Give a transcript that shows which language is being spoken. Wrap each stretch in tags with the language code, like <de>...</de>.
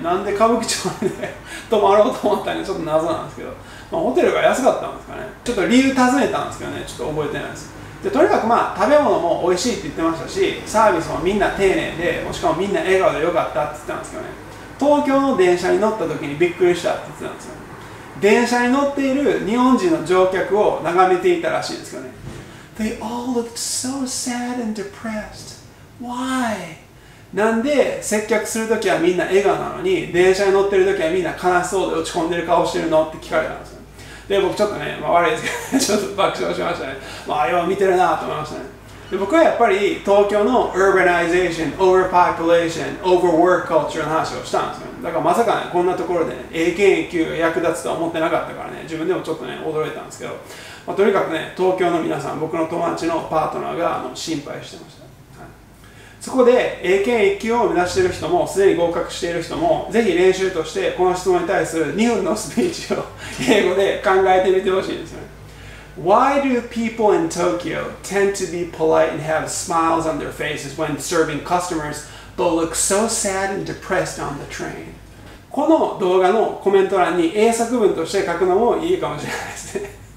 <ja>なんで歌舞伎町で、ね、泊まろうと思ったのか、ちょっと謎なんですけど、まあ、ホテルが安かったんですかね。ちょっと理由尋ねたんですけどね、ちょっと覚えてないです。でとにかくまあ食べ物も美味しいって言ってましたし、サービスもみんな丁寧で、しかもみんな笑顔で良かったって言ってたんですけどね。東京の電車に乗った時にびっくりしたって言ってたんですよ。電車に乗っている日本人の乗客を眺めていたらしいんですけどね。</ja> <en>They all looked so sad and depressed. Why?</en> <ja>なんで接客するときはみんな笑顔なのに、電車に乗ってるときはみんな悲しそうで落ち込んでる顔してるのって聞かれたんですよ。で、僕ちょっとね、まあ、悪いですけど、ちょっと爆笑しましたね。まあ、よう見てるなと思いましたね。で、僕はやっぱり東京の</ja> <en>urbanization, overpopulation, overwork culture</en> <ja>の話をしたんですよ。だからまさかね、こんなところで、ね、英検一級が役立つとは思ってなかったからね、自分でもちょっとね、驚いたんですけど、まあ、とにかくね、東京の皆さん、僕の友達のパートナーが心配してました。そこで英検1級を目指している人も、すでに合格している人も、ぜひ練習としてこの質問に対する2分のスピーチを英語で考えてみてほしいんですよね。</ja> <en>Why do people in Tokyo tend to be polite and have smiles on their faces when serving customers but look so sad and depressed on the train?</en> <ja>この動画のコメント欄に英作文として書くのもいいかもしれないですね。</ja>